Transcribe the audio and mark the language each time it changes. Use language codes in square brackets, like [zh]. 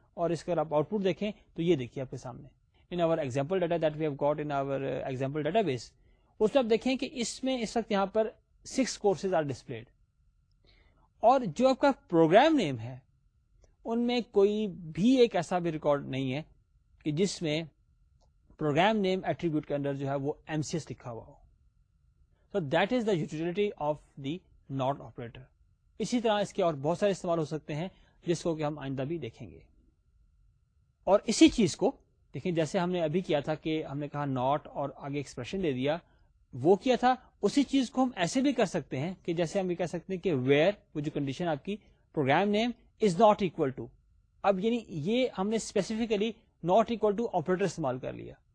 [ur] اور اس کا اگر آپ آؤٹ پٹ دیکھیں تو یہ دیکھیے آپ کے سامنے [en] in our example data that we have got in our example database, [ur] اس میں آپ دیکھیں کہ اس میں اس وقت یہاں پر [en] six courses are displayed, [ur] اور جو آپ کا پروگرام نیم ہے ان میں کوئی بھی ایک ایسا بھی ریکارڈ نہیں ہے کہ جس میں پروگرام نیم ایٹریبیوٹ کے اندر جو ہے وہ ایم سی ایس لکھا ہوا ہو. [en] So that is the utility of the not operator. [ur] اسی طرح اس کے اور بہت سارے استعمال ہو سکتے ہیں جس کو کہ ہم آئندہ بھی دیکھیں گے. اور اسی چیز کو دیکھیں, جیسے ہم نے ابھی کیا تھا کہ ہم نے کہا ناٹ اور آگے ایکسپریشن دے دیا, وہ کیا تھا, اسی چیز کو ہم ایسے بھی کر سکتے ہیں کہ جیسے ہم یہ کہہ سکتے ہیں کہ ویئر, وہ جو کنڈیشن آپ کی, program name is not equal to, اب یعنی یہ ہم نے specifically not equal to operator استعمال کر لیا.